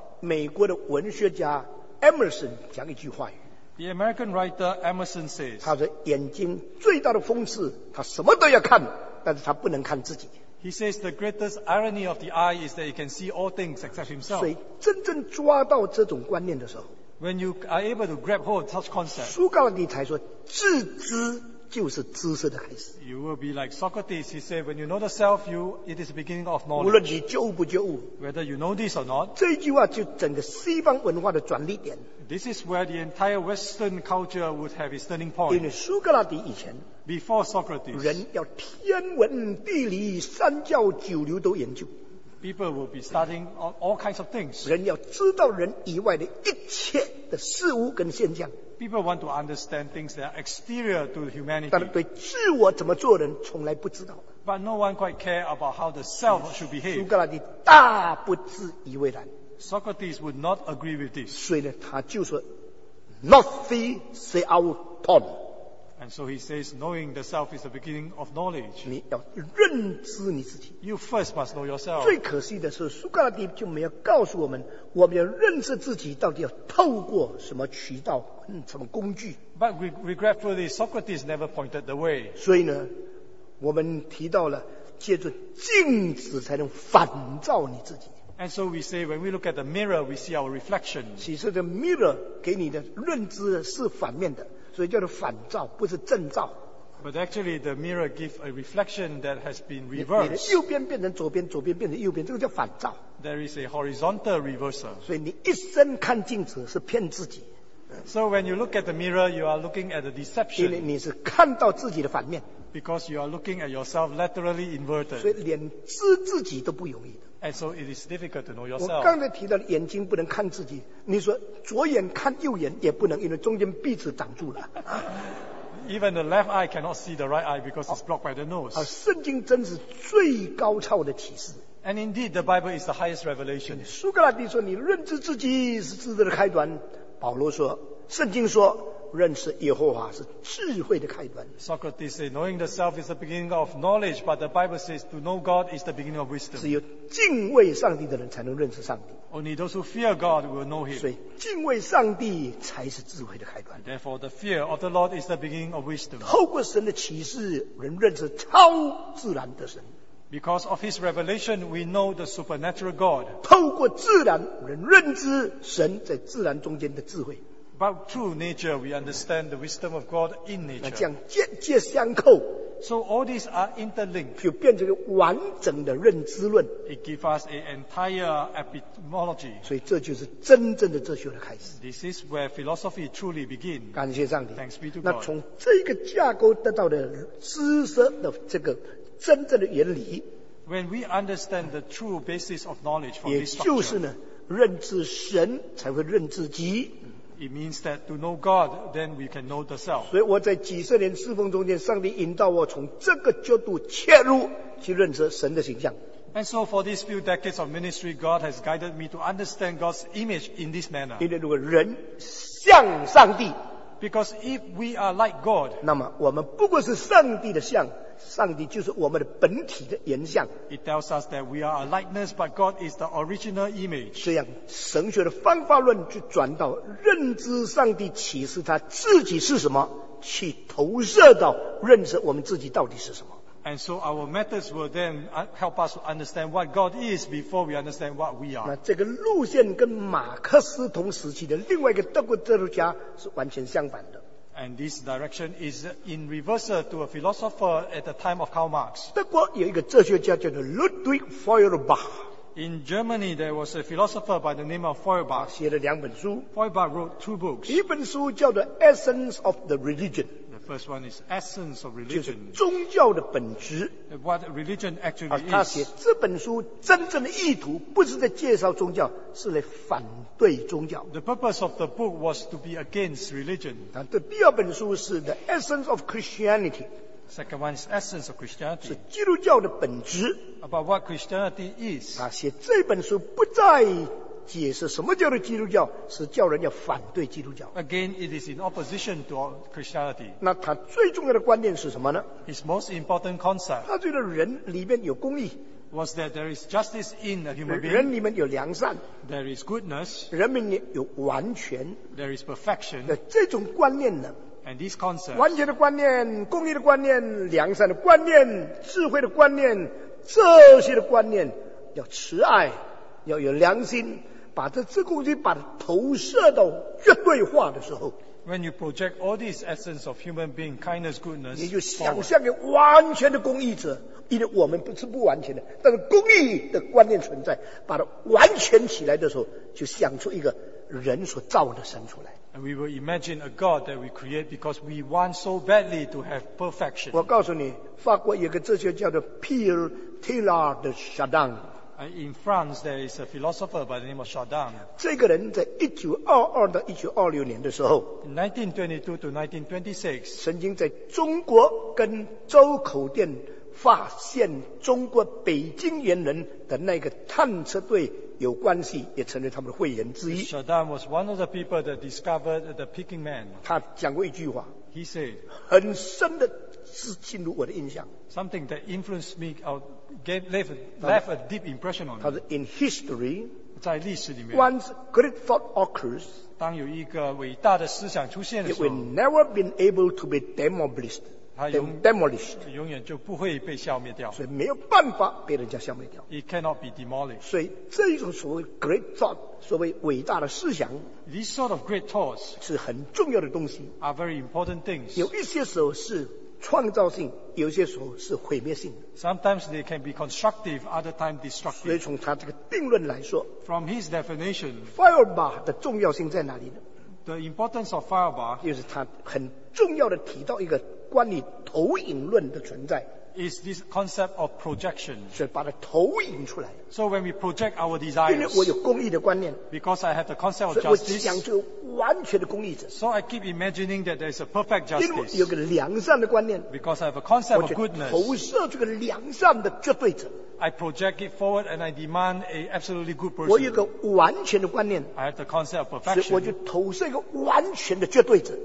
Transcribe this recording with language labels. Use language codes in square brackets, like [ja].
[zh] 美国的文学家 Emerson 讲一句话语。 [en] The American writer Emerson says, [zh] 他的眼睛最大的讽刺，他什么都要看，但是他不能看自己。 [en] He says the greatest irony of the eye is that he can see all things except himself. [zh] 所以真正抓到这种观念的时候， [en] When you are able to grab hold of such concept, [zh] 苏格拉底才说自知就是知识的开始。 [en] You will be like Socrates. He said, when you know the self, you it is the beginning of knowledge. [zh] 无论你觉悟不觉悟， [en] whether you know this or not, [zh] 这句话就整个西方文化的转捩点。 [en] This is where the entire Western culture would have its turning point. [zh] 因为苏格拉底以前， [en] before Socrates, [zh] 人要天文地理三教九流都研究。 [en] People will be studying all kinds of things. [zh] 人要知道人以外的一切的事物跟现象。 [en] People want to understand things that are exterior to humanity. [zh] 但是对自我怎么做人从来不知道。 [en] But no one quite care about how the self should behave. [zh] 苏格拉底大不自以为然。 [en] Socrates would not agree with this. [zh] 所以呢，他就说 ，nothi se auton. [en] And so he says, knowing the self is the beginning of knowledge. [zh] 你要认知你自己。 [en] You first must know yourself. [zh] 最可惜的是，苏格拉底就没有告诉我们，我们要认识自己到底要透过什么渠道。什么工具？ [en] But regretfully, Socrates never pointed the way. [zh] 所以呢，我们提到了借助镜子才能反照你自己。 [en] And so we say, when we look at the mirror, we see our reflection. [zh] 其实这 mirror 给你的认知是反面的，所以叫做反照，不是正照。 [en] But actually, the mirror gives a reflection that has been reversed. [zh] 你的右边变成左边，左边变成右边，这个叫反照。 [en] There is a horizontal reversal. [zh] 所以你一生看镜子是骗自己。 [en] So when you look at the mirror, you are looking at a deception. [zh] 因为你是看到自己的反面。 [en] Because you are looking at yourself laterally inverted. [zh] 所以连知自己都不容易的。 [en] And so it is difficult to know yourself. [zh] 我刚才提到眼睛不能看自己，你说左眼看右眼也不能，因为中间鼻子挡住了。 [en] Even the left eye cannot see the right eye because it's blocked by the nose. [zh] 圣经真是最高超的启示。 [en] And indeed, the Bible is the highest revelation. [zh] 苏格拉底说，你认知自己是知识的开端。保罗说，圣经说，认识耶和华是智慧的开端。 [en] Socrates said, knowing the self is the beginning of knowledge, but the Bible says, to know God is the beginning of wisdom. [zh] 只有敬畏上帝的人才能认识上帝。 [en] Only those who fear God will know him. [zh] 所以敬畏上帝才是智慧的开端。 [en] Therefore, the fear of the Lord is the beginning of wisdom. [zh] 透过神的启示，人认识超自然的神。 [en] Because of his revelation, we know the supernatural God. [zh] 透过自然，人认知神在自然中间的智慧。 [en] But through nature, we understand the wisdom of God in nature. [zh] 那这样间接相扣。 [en] So all these are interlinked. [zh] 就变成完整的认知论。 [en] It gives us an entire epistemology. [zh] 所以这就是真正的哲学的开始。 [en] This is where philosophy truly begins. [zh] 感谢上帝。 [en] Thanks be to God. [zh] 那从这个架构得到的知识的这个。真正的原理， [en] When we understand the true basis of knowledge from this structure, [zh] 也就是呢，认知神才会认知己。 [en] It means that to know God, then we can know the self. [zh] 所以我在几十年侍奉中间，上帝引导我从这个角度切入去认识神的形象。 [en] And so for these few decades of ministry, God has guided me to understand God's image in this manner. [zh] 因为如果人像上帝， [en] because if we are like God, [zh] 那么我们不过是上帝的像。上帝就是我们的本体的原像。 [en] It tells us that we are a likeness, but God is the original image. [zh] 这样，神学的方法论就转到认知上帝启示他自己是什么，去投射到认识我们自己到底是什么。 [en] And so our methods will then help us understand what God is before we understand what we are. [zh] 那这个路线跟马克思同时期的另外一个德国哲学家是完全相反的。 [en] And this direction is in reversal to a philosopher at the time of Karl Marx. [zh] 德国有一个哲学家叫做 Ludwig Feuerbach. [en] In Germany, there was a philosopher by the name of Feuerbach. [zh] 写了两本书。 [en] Feuerbach wrote two books. [zh] 一本书叫做 Essence of the Religion. [en] The first one is essence of religion. [zh] 就是宗教的本质。 [en] What religion actually is. [zh] 他写这本书真正的意图不是在介绍宗教，是来反对宗教。 [en] The purpose of the book was to be against religion. [zh] 第二本书是 The Essence of Christianity. [en] Second one is Essence of Christianity. [zh] 是基督教的本质。 [en] About what Christianity is. [zh] 他写这本书不再解释什么叫做基督教，是叫人家反对基督教。 [en] Again, it is in opposition to Christianity. [zh] 那他最重要的观念是什么呢？ [en] His most important concept. [zh] 他觉得人里面有公义。 [en] Was that there is justice in a human being? [zh] 人里面有良善。 [en] There is goodness. [zh] 人民有完全。 [en] There is perfection. [zh] 这种观念呢？ [en] And these concepts. [zh] 完全的观念、公义的观念、良善的观念、智慧的观念，这些的观念要慈爱。要有良心，把这自控性把它投射到绝对化的时候， [en] When you project all these essence of human being, kindness, goodness, [zh] 你就想象给完全的公义者，因为我们不是不完全的，但是公义的观念存在，把它完全起来的时候，就想出一个人所造的神出来。 [en] And we will imagine a God that we create because we want so badly to have perfection. [zh] 我告诉你，法国有个哲学叫做 Pierre Teilhard de Chardin。 [en] In France, there is a philosopher by the name of Chardin. [zh] 这个人在1922到1926年的时候 [en] ,1922 to 1926, [zh] 曾经在中国跟周口店发现中国北京猿人的那个探测队有关系，也成为他们的会员之一。 [en] Chardin was one of the people that discovered the Peking Man. [zh] 他讲过一句话 [en] ,He said, [zh] 很深的是进入我的印象。 [en] Something that influenced me out. Left a deep impression on me. In history, [zh] 在历史里面 [en] once great thought occurs, [zh] 当有一个伟大的思想出现的时候 [en] it will never be able to be demolished. Demolished. [zh] 永远就不会被消灭掉。所以没有办法被人家消灭掉。 [en] It cannot be demolished. [zh] 所以这一种所谓 great thought, 所谓伟大的思想 [en] these sort of great thoughts [zh] 是很重要的东西 [en] are very important things. [zh] 有一些时候是创造性，有些时候是毁灭性的。 [en] Sometimes they can be constructive, other time destructive. [zh] 所以从他这个定论来说 [en] ，From his definition, [zh] Feuerbach 的重要性在哪里呢 [en] ？The importance of Feuerbach [zh] 就是他很重要的提到一个关于投影论的存在。 [en] Is this concept of projection? [zh] 所以把它投影出来。 [en] So when we project our desires, [zh] 因为我有公义的观念 [en] ，because I have the concept of justice, [zh] 所以我想就完全的公义者。 [en] So I keep imagining that there is a perfect justice. [zh] 因为有个良善的观念 [en] ，because I have a concept of goodness. [zh] 我就投射这个良善的绝对者。 [en] I project it forward and I demand an absolutely good person. [zh] 我有个完全的观念 [en] ，I have the concept of perfection. [zh] 所以我就投射一个完全的绝对者。